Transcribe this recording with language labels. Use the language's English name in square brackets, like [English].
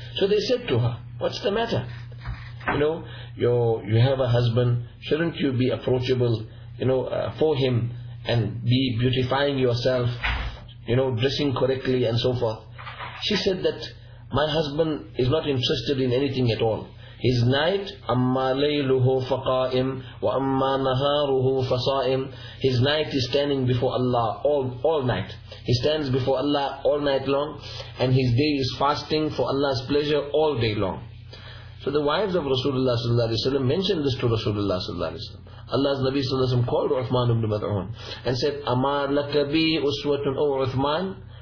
[English] So they said to her, what's the matter? You know, you have a husband, shouldn't you be approachable, you know, for him and be beautifying yourself, you know, dressing correctly and so forth. She said that my husband is not interested in anything at all. His night, [Arabic] أَمَّا لَيْلُهُ فَقَائِمُ وَأَمَّا نَهَارُهُ فَصَائِمُ. [English] His night is standing before Allah all night. He stands before Allah all night long, and his day is fasting for Allah's pleasure all day long. So the wives of Rasulullah sallallahu alayhi wa sallam mentioned this to Rasulullah sallallahu alayhi wa sallam. Allah's Nabi sallallahu alayhi wa sallam called Uthman ibn Mad'un and said, [Arabic] أَمَا لَكَ بِي أُسْوَةٌ أَوْ [English] Uthman.